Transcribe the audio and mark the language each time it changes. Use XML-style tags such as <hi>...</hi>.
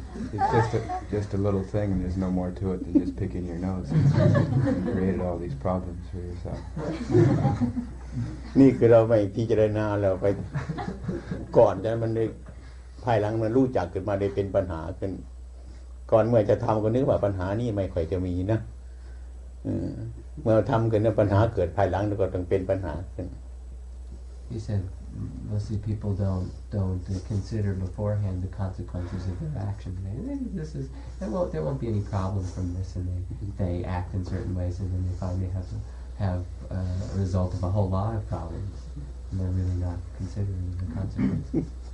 <en>It's just a little thing, and there's no more to it than just picking your nose. You created all these problems for yourself.</en> <th>นี่คือเราไม่พิจารณาแล้วไปก่อนนะมันได้ภายหลังมันรู้จักเกิดมาได้เป็นปัญหาขึ้นก่อนเมื่อจะทำก็นึกว่าปัญหานี้ไม่ค่อยจะมีนะเมื่อทำกันแล้วปัญหาเกิดภายหลังก็ต้องเป็นปัญหาขึ้น</th> <en>He said mostly people don't consider beforehand the consequences of their actions. There won't be any problem from this, and they act in certain ways, and then they finally have a result of a whole lot of problems, and they're really not considering the consequences.</en>